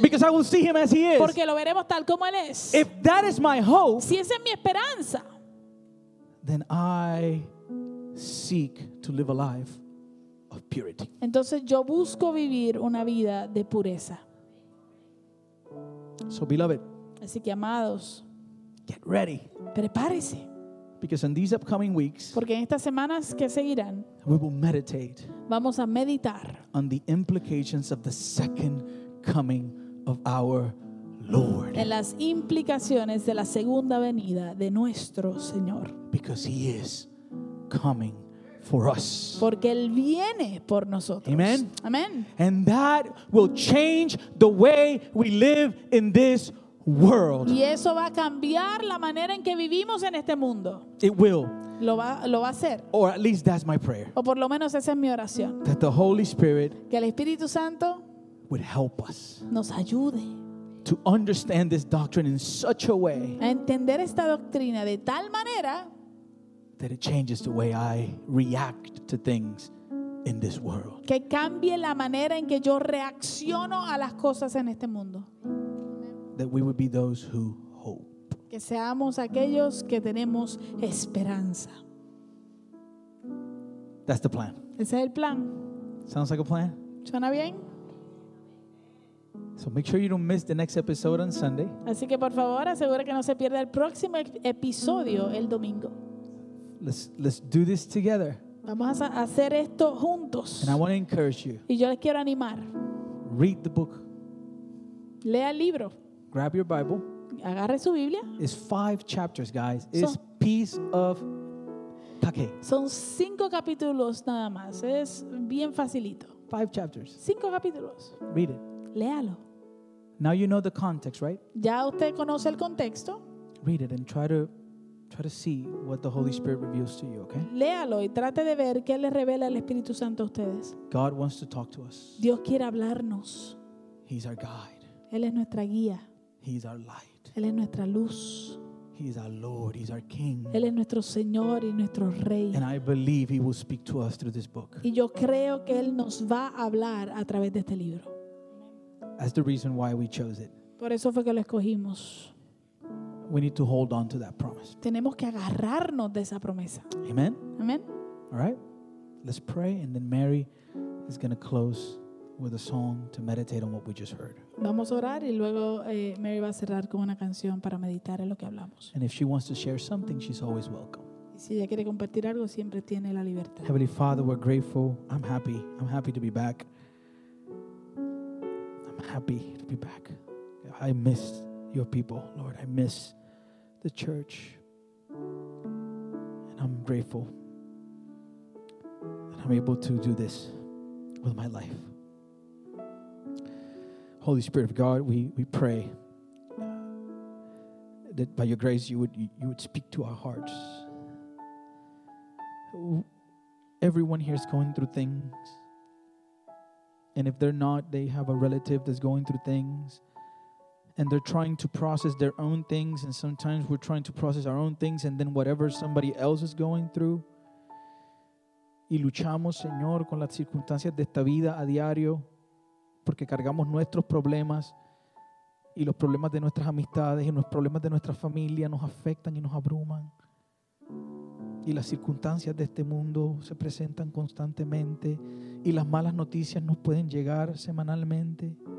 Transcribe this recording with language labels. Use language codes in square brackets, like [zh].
[en] Because I will see him as he is. [es] Porque lo veremos tal como él es. [en] If that is my hope, [es] si esa es mi esperanza, [en] then I seek to live a life of purity. [es] Entonces yo busco vivir una vida de pureza. [en] So beloved, [es] así que amados, [en] get ready. [es] Prepárese. [en] Because in these upcoming weeks, [es] porque en estas semanas que seguirán, [en] we will meditate. [es] Vamos a meditar [en] on the implications of the second coming of our Lord. [es] En las implicaciones de la segunda venida de nuestro Señor. [en] Because he is coming for us. [es] Porque él viene por nosotros. [en] Amen. [es] Amen. [en] And that will change the way we live in this world. [es] Y eso va a cambiar la manera en que vivimos en este mundo. [en] It will. [es] Lo va a hacer. [en] Or at least that's my prayer. [es] O por lo menos esa es mi oración. [en] That the Holy Spirit, [es] que el Espíritu Santo, [en] would help us. [es] Nos ayude. [en] To understand this doctrine in such a way. [es] A entender esta doctrina de tal manera. [en] That it changes the way I react to things in this world. [es] Que cambie la manera en que yo reacciono a las cosas en este mundo. [en] That we would be those who hope. [es] Que seamos aquellos que tenemos esperanza. [en] That's the plan. [es] Ese es el plan. [en] Sounds like a plan. [es] ¿Suena bien? [en] So make sure you don't miss the next episode on Sunday. [es] Así que por favor, asegura que no se pierda el próximo episodio el domingo. [en] Let's do this together. [es] Vamos a hacer esto juntos. [en] And I want to encourage you. [es] Y yo les quiero animar. [en] Read the book. [es] Lea el libro. [en] Grab your Bible. [es] Agarre su Biblia. [en] It's 5 chapters, guys. It's piece of cake. [es] Son 5 capítulos nada más. Es bien facilito. [en] 5 chapters. [es] 5 capítulos. [en] Read it. [es] Léalo. [en] Now you know the context, right? [es] Ya usted conoce el contexto. [en] Read it and try to see what the Holy Spirit reveals to you, okay? [es] Léalo y trate de ver qué le revela el Espíritu Santo a ustedes. [en] God wants to talk to us. [es] Dios quiere hablarnos. [en] He's our guide. [es] Él es nuestra guía. [en] He's our light. [es] Él es nuestra luz. [en] He's our Lord, he's our King. [es] Él es nuestro Señor y nuestro Rey. [en] And I believe he will speak to us through this book. [es] Y yo creo que él nos va a hablar a través de este libro. [en] That's the reason why we chose it. [es] Por eso fue que lo escogimos. [en] We need to hold on to that promise. [es] Tenemos que agarrarnos de esa promesa. [en] Amen. [es] Amen. [en] All right. Let's pray, and then Mary is going to close with a song to meditate on what we just heard. [es] Vamos a orar y luego Mary va a cerrar con una canción para meditar en lo que hablamos. [en] And if she wants to share something, she's always welcome. [es] Y si ella quiere compartir algo, siempre tiene la libertad. [en] Heavenly Father, we're grateful. I'm happy. I'm happy to be back. I'm happy to be back. I miss your people, Lord. I miss the church. And I'm grateful that I'm able to do this with my life. Holy Spirit of God, we pray that by your grace you would speak to our hearts. Everyone here is going through things. And if they're not, they have a relative that's going through things. And they're trying to process their own things. And sometimes we're trying to process our own things. And then whatever somebody else is going through. [es] Y luchamos, Señor, con las circunstancias de esta vida a diario. Porque cargamos nuestros problemas y los problemas de nuestras amistades y los problemas de nuestra familia nos afectan y nos abruman. Y las circunstancias de este mundo se presentan constantemente y las malas noticias nos pueden llegar semanalmente.